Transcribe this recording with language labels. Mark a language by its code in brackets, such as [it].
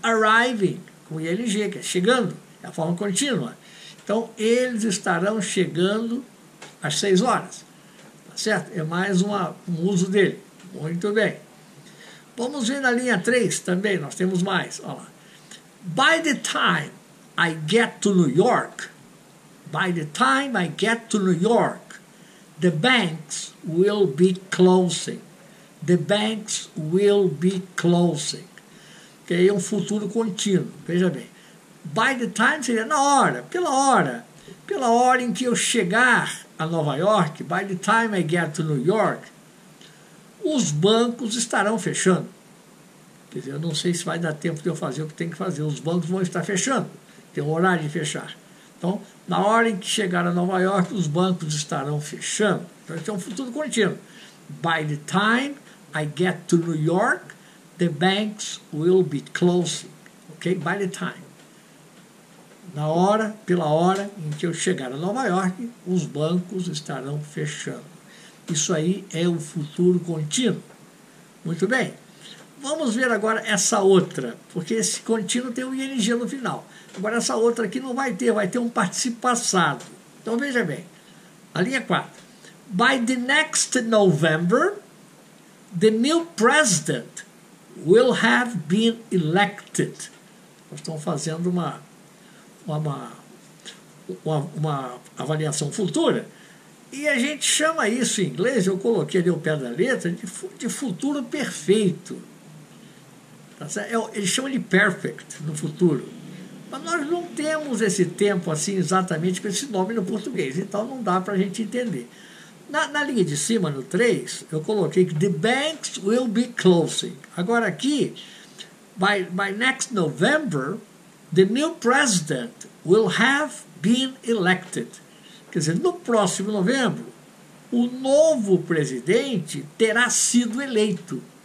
[pt] Arriving, com ing, que é chegando, é a forma contínua. Então, eles estarão chegando às 6 horas. Tá certo? É mais um uso dele. Muito bem. Vamos ver na linha 3 também, nós temos mais. Olha lá. [en] By the time I get to New York, by the time I get to New York, the banks will be closing. The banks will be closing. [pt] Que aí é um futuro contínuo. Veja bem. By the time seria na hora, pela hora. Pela hora em que eu chegar a Nova York, [en] by the time I get to New York, [pt] os bancos estarão fechando. Quer dizer, eu não sei se vai dar tempo de eu fazer o que tem que fazer. Os bancos vão estar fechando. Tem um horário de fechar. Então, na hora em que chegar a Nova York, os bancos estarão fechando. Então, isso é um futuro contínuo. [en] By the time I get to New York, the banks will be closing. Ok? By the time. [pt] Na hora, pela hora em que eu chegar a Nova York, os bancos estarão fechando. Isso aí é o futuro contínuo. Muito bem. Vamos ver agora essa outra, porque esse contínuo tem o ing no final. Agora, essa outra aqui não vai ter, vai ter um particípio passado. Então, veja bem. A linha 4. [en] By the next November, the new president will have been elected. [pt] Nós estamos fazendo uma avaliação futura. E a gente chama isso em inglês, eu coloquei ali o pé da letra, de futuro perfeito. Eles chamam de perfect no futuro. Mas nós não temos esse tempo assim exatamente com esse nome no português, então não dá para a gente entender. Na linha de cima, no 3, eu coloquei que [en] the banks will be closing. [pt] Agora aqui, [en] by next November, the new president will have been elected. [pt] Quer dizer, no próximo novembro, o novo presidente terá sido eleito.